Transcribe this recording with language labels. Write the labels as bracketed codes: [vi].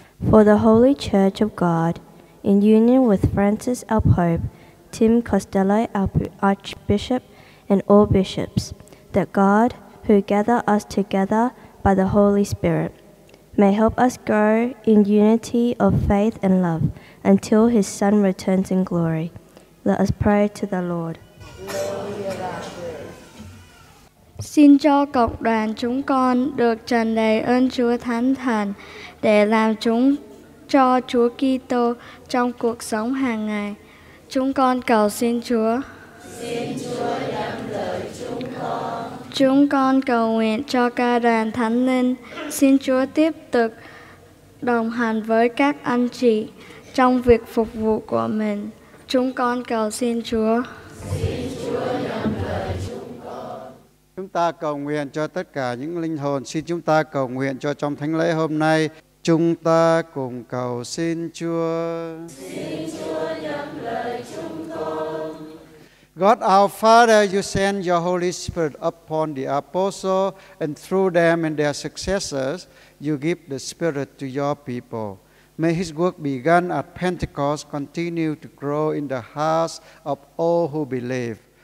[en] For the Holy Church of God, in union with Francis, our Pope, Tim Costello, our Archbishop, and all bishops, that God, who gather us together by the Holy Spirit, may help us grow in unity of faith and love until his Son returns in glory. Let us pray to the Lord. [vi] Xin cho cộng đoàn chúng con được tràn đầy ơn Chúa Thánh Thần để làm chúng cho Chúa Kitô trong cuộc sống hàng ngày. Chúng con cầu xin Chúa. Xin Chúa nhận lời chúng con. Chúng con cầu nguyện cho ca đoàn Thánh Linh. Xin Chúa tiếp tục đồng hành với các anh chị trong việc phục vụ của mình. Chúng con cầu xin Chúa. Chúng ta cầu nguyện cho tất cả những linh hồn, xin chúng ta cầu nguyện cho trong thánh lễ hôm nay. Chúng ta cùng cầu xin Chúa. Xin Chúa nhận lời chúng con. [en] God our Father, you send your Holy Spirit upon the apostles, and through them and their successors, you give the Spirit to your people. May his work begun at Pentecost continue to grow in the hearts of all who believe.